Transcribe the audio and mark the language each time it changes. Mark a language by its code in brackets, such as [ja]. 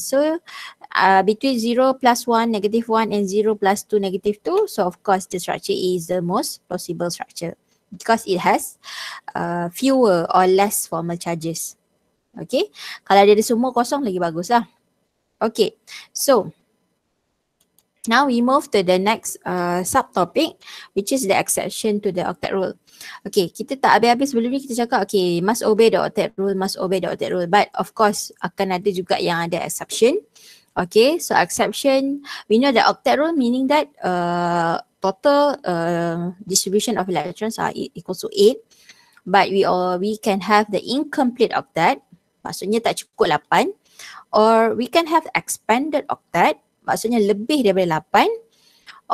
[en] So between 0 plus 1 negative 1 and 0 plus 2 negative 2, so of course the structure is the most possible structure because it has fewer or less formal charges. Okay, [ms] kalau dia ada semua kosong lagi bagus lah. [en] Okay, so now we move to the next subtopic, which is the exception to the octet rule. Okay, [ms] kita tak habis-habis sebelum ni kita cakap, [en] okay, must obey the octet rule, must obey the octet rule. But of course, [ms] akan ada juga yang ada exception. [en] Okay, so exception, we know the octet rule meaning that total distribution of electrons are equal to 8. But we can have the incomplete octet, [ms] maksudnya tak cukup 8. [en] Or we can have expanded octet, [ms] maksudnya lebih daripada 8.